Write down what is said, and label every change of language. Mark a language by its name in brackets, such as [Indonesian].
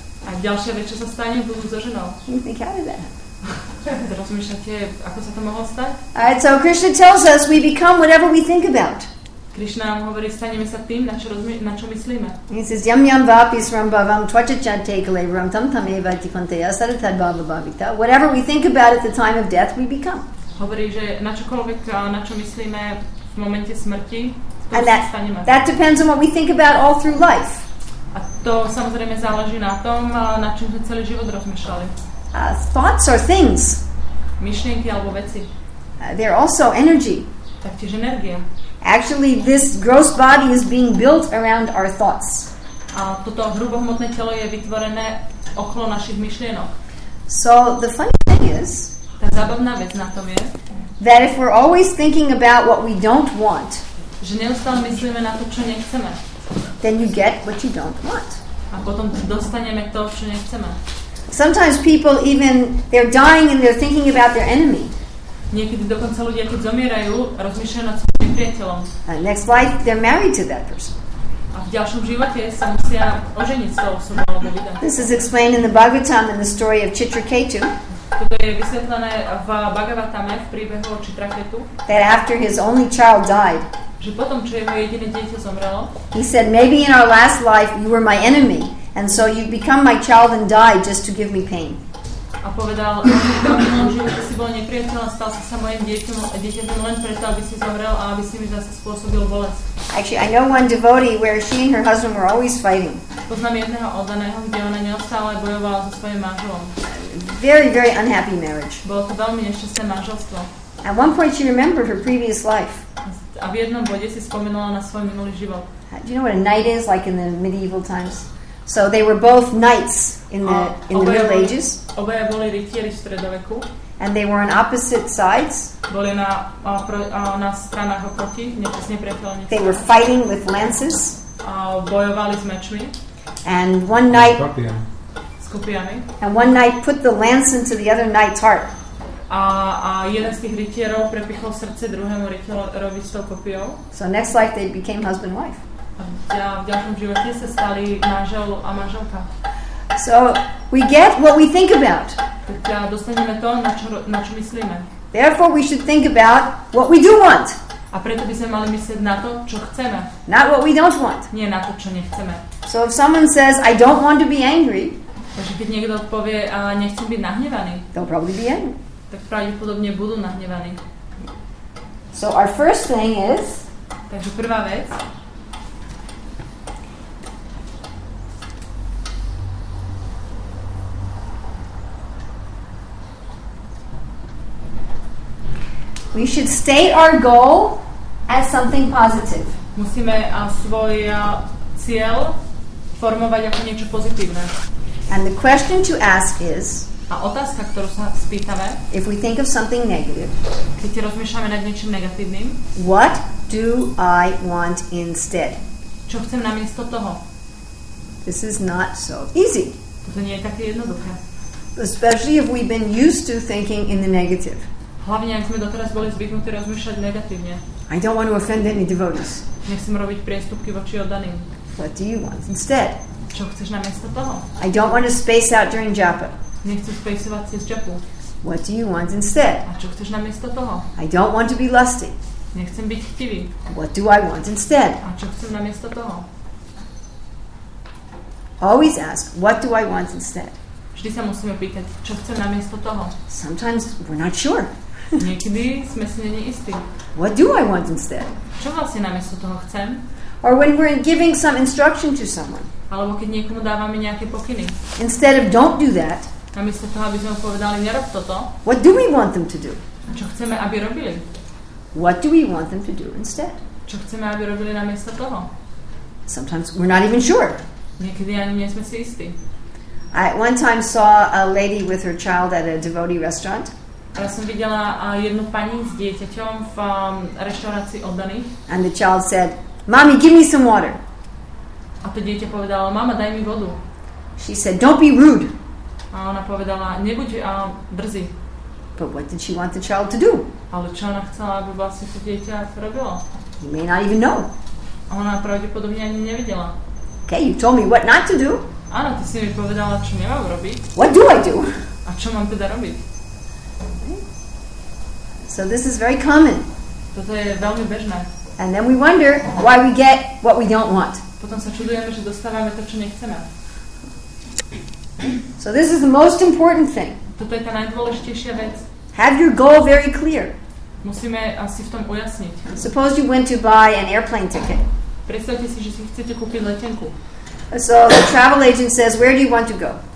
[Slovak] A ďalšia vec, čo sa stane, budú so ženou. [English] You think, how did that happen? [Slovak] Rozmýšľate, ako sa to mohlo stať? [English] Alright, so Krishna tells us we become whatever we think about. [Slovak] Krishna nám hovorí, staneme sa tým, na čo myslíme. [English] He says, [Sanskrit] yam yam vapi sram bhavam tvacha chante kalevram tam tam eva tikanteya sarathad bhava bhavita. [English] Whatever we think about at the time of death, we become. [Slovak] Hovorí, že na čokoľvek, na čo myslíme v momente smrti, to staneme. [English] And that depends on what we think about all through life. [Slovak] A to samozrejme záleží na tom, na čom sme celý život rozmýšľali. [English] Thoughts are things. [Slovak] Myšlienky alebo veci. [English] They're also energy. [Slovak] Taktiež energia. [English] Actually, this gross body is being built around our thoughts. [Slovak] A toto hrubohmotné telo je vytvorené okolo našich myšlienok. [English] So the funny thing is, [Slovak] tá zábavná vec na tom je, [English] that if we're always thinking about what we don't want, [Slovak] že neustále myslíme na to, čo nechceme, [English] then you get what you don't want. [Slovak] A potom dostaneme to, čo nechceme. [English] Sometimes people even, they're dying and they're thinking about their enemy. [Slovak] Niekedy dokonca ľudia, keď zomierajú, rozmýšľajú nad [English] and next life, they're married to that person. [Slovak] A v ďalšom živote sa musia oženiť s tou osobou alebo vydať. [English] This is explained in the Bhagavatam in the story of Chitraketu. [Slovak] Toto je vysvetlené v Bhagavatame v príbehu o Chitraketu. [English] That after his only child died, [Slovak] že potom, čo jeho jediné dieťa zomrelo, [English] he said, maybe in our last life you were my enemy, and so you become my child and died just to give me pain. [Slovak] a povedal, že si bol nepriateľ a stal si sa mojim dieťaťom len preto, aby si zomrel a aby si mi zase spôsobil bolesť. [English] Actually, I know one devotee where she and her husband were always fighting. [Slovak] Poznám jedného oddaného, kde ona neustále bojovala so svojím manželom. [English] Very, very unhappy marriage. [Slovak] Bolo to veľmi nešťastné manželstvo. [English] At one point she remembered her previous life. [Slovak] A v jednom bode si spomenula na svoj minulý život. [English] Do you know what a knight is like in the medieval times? So they were both knights in the Middle Ages. [Slovak] Obaja boli rytieri v stredoveku. [English] And they were on opposite sides. [Slovak] Boli na stranách oproti, nepresne priateľne. [English] They were fighting with lances. [Slovak] Bojovali s mečmi. [English] And one knight [Slovak] skupiami. [English] And one knight put the lance into the other knight's heart. [Slovak] A jeden z tých rytierov prepichol srdce druhému rytierovi s tou kopiou. [English] So next life they became husband and wife. [Slovak] V ďalšom živote sa stali manžel a manželka. [English] So we get what we think about. [Slovak] Takže dostaneme to, na čo myslíme. [English] Therefore we should think about what we do want. [Slovak] A preto by sme mali myslieť na to, čo chceme. [English] Not what we don't want. [Slovak] Nie na to, čo nechceme. [English] So if someone says I don't want to be angry. [Slovak] Takže keď niekto povie a nechcem byť nahnevaný. [English] They'll probably be angry. [Slovak] Tak pravdepodobne budú nahnevaní. [English] So our first thing is. [Slovak] Takže prvá vec. [English] We should state our goal as something positive. [Slovak] Musíme svoj cieľ formovať ako niečo pozitívne. [English] And the question to ask is, [Slovak] a otázka, ktorú sa spýtame, [English] if we think of something negative, [Slovak] keď rozmýšľame nad niečím negatívnym, [English] what do I want instead? [Slovak] Čo chcem namiesto toho? [English] This is not so easy. [Slovak] To nie je také jednoduché. [English] Especially if we've been used to thinking in the negative. [Slovak] Hlavne, ak sme doteraz boli zvyknutí rozmýšľať negatívne. [English] I don't want to offend any devotees. [Slovak] Nechcem robiť priestupky voči oddaným. [English] What do you want instead? [Slovak] Čo chceš namiesto toho? [English] I don't want to space out during japa. [Slovak] Nechceš spacovať cez japu. [English] What do you want instead? [Slovak] A čo chceš namiesto toho? [English] I don't want to be lusty. [Slovak] Nechcem byť chtivý. [English] What do I want instead? [Slovak] A čo chcem namiesto toho? [English] Always ask, what do I want instead? [Slovak] Vždy sa musíme pýtať, čo chcem namiesto toho? [English] Sometimes we're not sure. [Slovak] Niekedy sme si není istí. [English] What do I want instead? [Slovak] Čo vlastne namiesto toho chcem? [English] Or when we're giving some instruction to someone. [Slovak] Alebo keď niekomu dávame nejaké pokyny. [English] Instead of don't do that. [Slovak] Namiesto toho, aby sme povedali nerob toto. [English] What do we want them to do? [Slovak] Čo chceme, aby robili? [English] What do we want them to do instead? [Slovak] Čo chceme, aby robili namiesto toho? [English] Sometimes we're not even sure. [Slovak] Niekedy ani nie sme si istí. [English] I one time saw a lady with her child at a devotee restaurant. [Slovak] Ja som videla jednu pani s dieťaťom v reštaurácii oddaných. [English] And the child said, "Mommy, give me some water." [Slovak] A to dieťa povedalo, "Mama, daj mi vodu." [English] She said, "Don't be rude." [Slovak] A ona povedala, "Nebuď brzy." [English] But what did she want the child to do? [Slovak] Ale čo ona chcela, aby vlastne to dieťa robilo? [English] You may not even know. [Slovak] A ona pravdepodobne ani nevedela. [English] Okay, you told me what not to do. [Slovak] Áno, ty si mi povedala, čo nemám robiť. [English] What do I do? [Slovak] A čo mám teda robiť? [English] So this is very common. [Slovak] Toto je veľmi bežné. [English] And then we wonder why we get what we don't want. [Slovak] Potom sa čudujeme, že dostávame to, čo nechceme. [English] So this is the most important thing. [Slovak] Toto je tá najdôležitejšia vec. [English] Have your goal very clear. [Slovak] Musíme asi v tom ujasniť. [English] Suppose you went to buy an airplane ticket. [Slovak] Predstavte si, že si chcete kúpiť letenku. [English] So the travel agent says, where do you want to go?